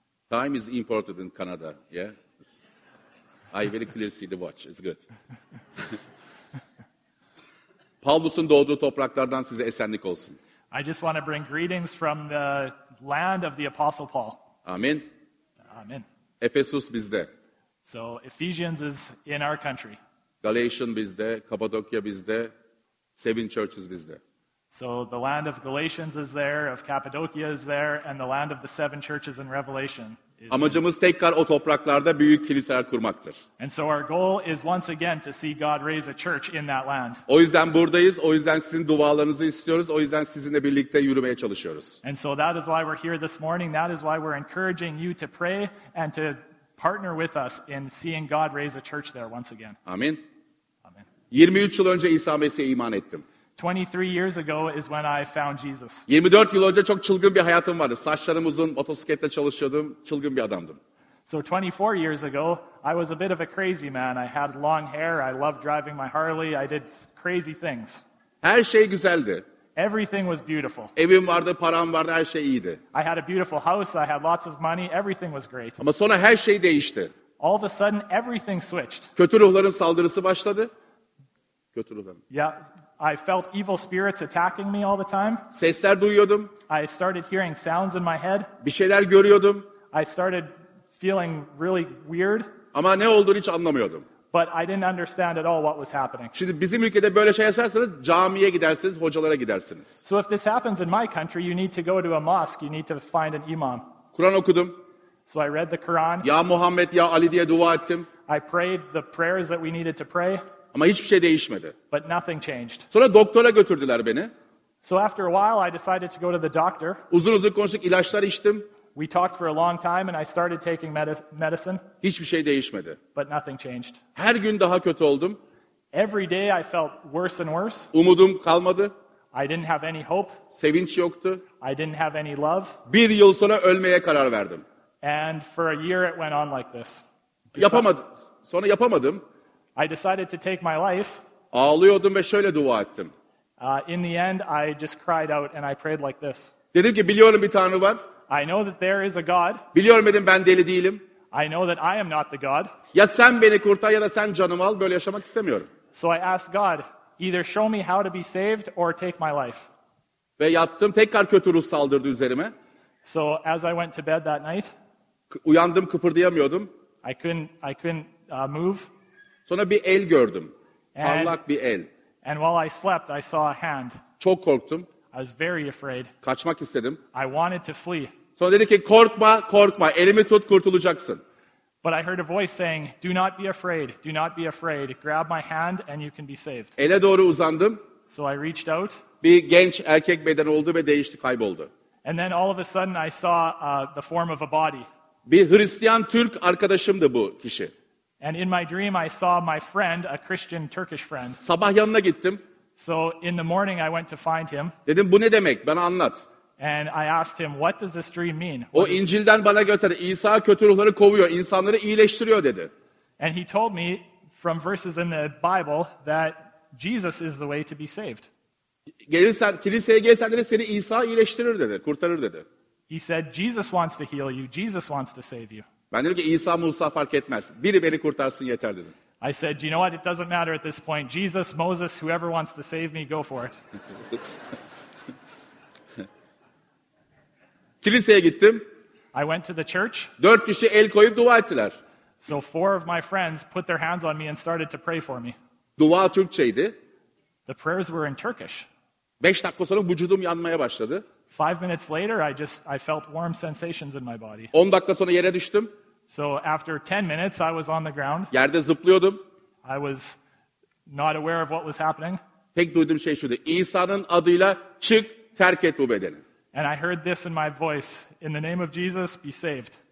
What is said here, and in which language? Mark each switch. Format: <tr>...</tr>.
<en>Time is important in Canada, yeah? I very clearly see the watch. It's good.</en> <tr>Paulus'un doğduğu topraklardan size esenlik olsun.</tr> <en>I just want to bring greetings from the land of the Apostle Paul. Amen. Amen.</en> <tr>Ephesus bizde.</tr> <en>So Ephesians is in our country.</en> <tr>Galatian bizde, Kapadokya bizde,</tr> <en>Seven Churches</en> <tr>bizde.</tr> <en>So the land of Galatians is there, of Cappadocia is there, and the land of the seven churches in Revelation is there.</en> <tr>Amacımız tekrar o topraklarda büyük kiliseler kurmaktır.</tr> <en>And so our goal is once again to see God raise a church in that land.</en> <tr>O yüzden buradayız, o yüzden sizin dualarınızı istiyoruz, o yüzden sizinle birlikte yürümeye çalışıyoruz.</tr> <en>And so that is why we're here this morning, that is why we're encouraging you to pray and to partner with us in seeing God raise a church there once again.</en> <tr>Amin.</tr> <en>Amen.</en> <tr>23 yıl önce İsa Mesih'e iman ettim.</tr> <en>23 years ago is when I found Jesus.</en> <tr>24 yıl önce çok çılgın bir hayatım vardı. Saçlarım uzun, motosikletle çalışıyordum, çılgın bir adamdım.</tr> <en>So 24 years ago, I was a bit of a crazy man. I had long hair, I loved driving my Harley, I did crazy things.</en> <tr>Her şey güzeldi.</tr> <en>Everything was beautiful.</en> <tr>Evim vardı, param vardı, her şey iyiydi.</tr> <en>I had a beautiful house, I had lots of money, everything was great.</en> <tr>Ama sonra her şey değişti.</tr> <en>All of a sudden everything switched.</en> <tr>Kötü ruhların saldırısı başladı. Kötü ruhların.</tr> <en>Yeah. I felt evil spirits attacking me all the time.</en> <tr>Sesler duyuyordum.</tr> <en>I started hearing sounds in my head.</en> <tr>Bir şeyler görüyordum.</tr> <en>I started feeling really weird.</en> <tr>Ama ne olduğunu hiç anlamıyordum.</tr> <en>But I didn't understand at all what was happening.</en> <tr>Şimdi bizim ülkede böyle şey yaşarsanız camiye gidersiniz, hocalara gidersiniz.</tr> <en>So if this happens in my country, you need to go to a mosque, you need to find an imam.</en> <tr>Kur'an okudum.</tr> <en>So I read the Quran.</en> <tr>Ya Muhammed, ya Ali diye dua ettim.</tr> <en>I prayed the prayers that we needed to pray.</en> <tr>Ama hiçbir şey değişmedi.</tr> <en>But nothing changed.</en> <tr>Sonra doktora götürdüler beni.</tr> <en>So after a while I decided to go to the doctor.</en> <tr>Uzun uzun konuştuk, ilaçlar içtim.</tr> <en>We talked for a long time and I started taking medicine.</en> <tr>Hiçbir şey değişmedi.</tr> <en>But nothing changed.</en> <tr>Her gün daha kötü oldum.</tr> <en>Every day I felt worse and worse.</en> <tr>Umudum kalmadı.</tr> <en>I didn't have any hope.</en> <tr>Sevinç yoktu.</tr> <en>I didn't have any love.</en> <tr>Bir yıl sonra ölmeye karar verdim.</tr> <en>And for a year it went on like this.</en> <tr>Sonra yapamadım.</tr> <en>I decided to take my life.</en> <tr>Ağlıyordum ve şöyle dua ettim.</tr> <en>In the end, I just cried out and I prayed like this.</en> <tr>Dedim ki biliyorum bir tanrı var.</tr> <en>I know that there is a God.</en> <tr>Biliyorum dedim ben deli değilim.</tr> <en>I know that I am not the God.</en> <tr>Ya sen beni kurtar ya da sen canımı al, böyle yaşamak istemiyorum.</tr> <en>So I asked God, either show me how to be saved or take my life.</en> <tr>Ve yattım, tekrar kötü ruh saldırdı üzerime.</tr> <en>So as I went to bed that night.</en> <tr>Uyandım, kıpırdayamıyordum.</tr> <en>I couldn't move.</en> <tr>Sonra bir el gördüm. Parlak bir el.</tr> <en>And while I slept, I saw a hand.</en> <tr>Çok korktum.</tr> <en>I was very afraid.</en> <tr>Kaçmak istedim.</tr> <en>I wanted to flee.</en> <tr>Sonra dedi ki korkma, korkma. Elimi tut, kurtulacaksın.</tr> <en>But I heard a voice saying, "Do not be afraid. Do not be afraid. Grab my hand and you can be saved."</en> <tr>Ele doğru uzandım.</tr> <en>So I reached out.</en> <tr>Bir genç erkek beden oldu ve değişti, kayboldu.</tr> <en>And then all of a sudden I saw the form of a body.</en> <tr>Bir Hristiyan Türk arkadaşımdı bu kişi.</tr> <en>And in my dream I saw my friend, a Christian Turkish friend.</en> <tr>Sabah yanına gittim.</tr> <en>So in the morning I went to find him.</en> <tr>Dedim bu ne demek? Bana anlat.</tr> <en>And I asked him, what does this dream mean?</en> <tr>O İncil'den bana gösterdi. İsa kötü ruhları kovuyor, insanları iyileştiriyor dedi.</tr> <en>And he told me from verses in the Bible that Jesus is the way to be saved.</en> <tr>Gelirsen, kiliseye gelsen dedi seni İsa iyileştirir dedi, kurtarır dedi.</tr> <en>He said Jesus wants to heal you, Jesus wants to save you.</en> <tr>Ben dedim ki İsa Musa fark etmez. Biri beni kurtarsın yeter dedim.</tr> <en>I said, you know what? It doesn't matter at this point. Jesus, Moses, whoever wants to save me, go for it.</en> <tr>Kiliseye gittim.</tr> <en>I went to the church.</en> <tr>4 kişi el koyup dua ettiler.</tr> <en>So 4 of my friends put their hands on me and started to pray for me.</en> <tr>Dua Türkçeydi.</tr> <en>The prayers were in Turkish.</en> <tr>5 dakika sonra vücudum yanmaya başladı.</tr> <en>5 minutes later I felt warm sensations in my body.</en> <tr>10 dakika sonra yere düştüm.</tr> <en>So after 10 minutes I was on the ground.</en> <tr>Yerde zıplıyordum.</tr> <en>I was not aware of what was happening.</en> <tr>Tek duyduğum şey şuydu. İsa'nın adıyla çık, terk et bu bedeni.</tr> <en>And I heard this in my voice, in the name of Jesus, be saved.</en>